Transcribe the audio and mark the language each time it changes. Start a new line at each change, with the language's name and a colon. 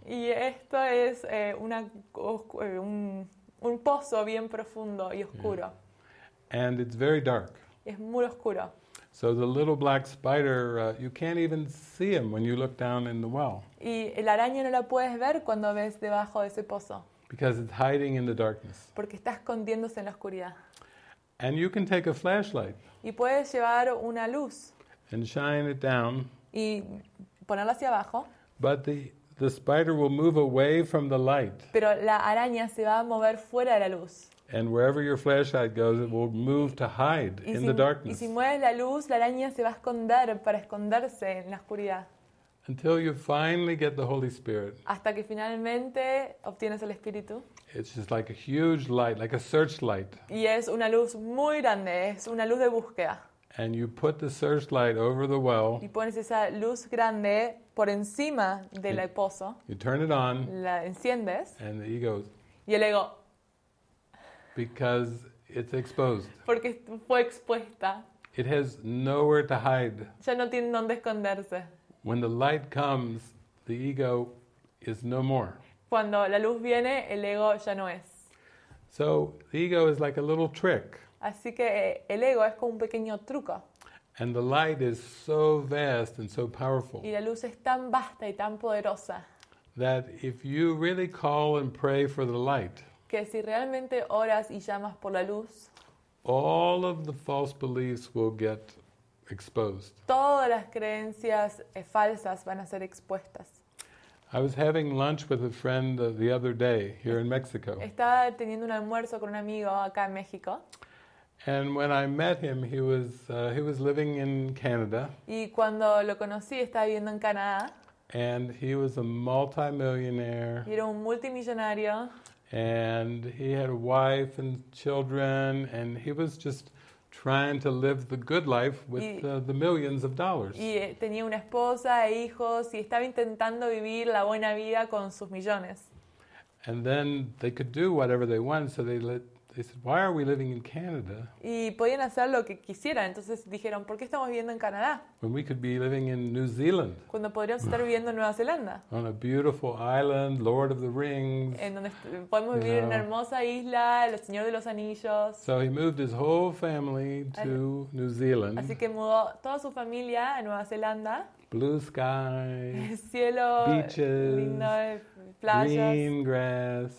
Spanish: Y esto es un pozo bien profundo y oscuro.
English: Yeah. And it's very dark.
Spanish: Es muy oscuro.
English: So the little black spider, you can't even see him when you look down in the well.
Spanish: Y el araña no la puedes ver cuando ves debajo de ese pozo.
English: Because it's hiding in the darkness.
Spanish: Porque está escondiéndose en la oscuridad.
English: And you can take a flashlight.
Spanish: Y puedes llevar una luz.
English: And shine it down.
Spanish: Y ponerla hacia abajo.
English: But the spider will move away from the light.
Spanish: Pero la araña se va a mover fuera de la luz.
English: And wherever your flashlight goes, it will move to hide in the darkness.
Spanish: Y si mueves la luz, la araña se va a esconder para esconderse en la oscuridad.
English: Until you finally get the Holy Spirit.
Spanish: Hasta que finalmente obtienes el Espíritu.
English: It's just like a huge light, like a searchlight.
Spanish: Y es una luz muy grande, es una luz de búsqueda.
English: And you put the searchlight over the well.
Spanish: Y pones esa luz grande por encima del pozo.
English: You turn it on.
Spanish: La enciendes.
English: And the ego.
Spanish: Y el ego.
English: Because it's exposed.
Spanish: Porque fue expuesta.
English: It has nowhere to hide.
Spanish: Ya no tiene dónde esconderse.
English: When the light comes, the ego is no more.
Spanish: Cuando la luz viene, el ego ya no es.
English: So the ego is like a little trick.
Spanish: Así que el ego es como un pequeño truco.
English: And the light is so vast and so powerful.
Spanish: Y la luz es tan vasta y tan poderosa.
English: That if you really call and pray for the light.
Spanish: Que si realmente oras y llamas por la luz.
English: All of the false beliefs will get exposed.
Spanish: Todas las creencias falsas van a ser expuestas.
English: I was having lunch with a friend the other day here in Mexico.
Spanish: Estaba teniendo un almuerzo con un amigo acá en México.
English: And when I met him, he was living in Canada.
Spanish: Y cuando lo conocí, estaba viviendo en Canadá.
English: And he was a multimillionaire.
Spanish: Y era un multimillonario.
English: And he had a wife and children, and he was just trying to live the good life with the millions of dollars.
Spanish: Y tenía una esposa e hijos y estaba intentando vivir la buena vida con sus millones.
English: And then they could do whatever they want, so they said, "Why are we living in Canada?"
Spanish: Y podían hacer lo que quisieran, entonces dijeron, "¿Por qué estamos viviendo en Canadá?"
English: When we could be living in New Zealand.
Spanish: Cuando podríamos estar viviendo en Nueva Zelanda.
English: On a beautiful island, Lord of the Rings.
Spanish: En donde podemos vivir en una hermosa isla, el Señor de los Anillos.
English: So he moved his whole family to New Zealand.
Spanish: Así que mudó toda su familia a Nueva Zelanda.
English: Blue skies,
Spanish: cielo,
English: beaches,
Spanish: lindo, playas,
English: green grass,